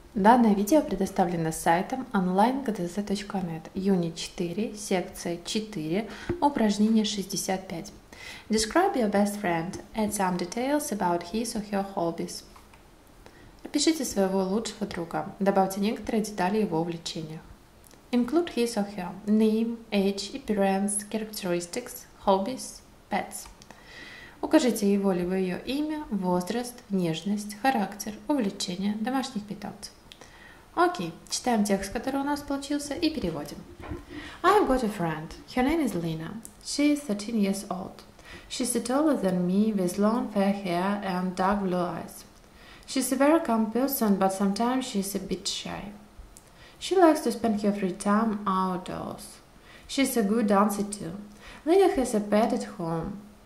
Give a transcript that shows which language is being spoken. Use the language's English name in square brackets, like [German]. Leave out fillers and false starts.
[Russian] Данное видео предоставлено сайтом online.gdz.net, [English] Unit 4, [Russian] секция 4, упражнение 65. [English] Describe your best friend. Add some details about his or her hobbies. [Russian] Опишите своего лучшего друга. Добавьте некоторые детали его увлечениях. [English] Include his or her name, age, appearance, characteristics, hobbies, pets. [Russian] Укажите его либо ее имя, возраст, внешность, характер, увлечения, домашних питомцев. Окей, читаем текст, который у нас получился, и переводим. [English] I've got a friend. Her name is Lena. She is 13 years old. She's taller than me, with long fair hair and dark blue eyes. She's a very calm person, but sometimes she's a bit shy. She likes to spend her free time outdoors. She's a good dancer too. Lena has a pet at home.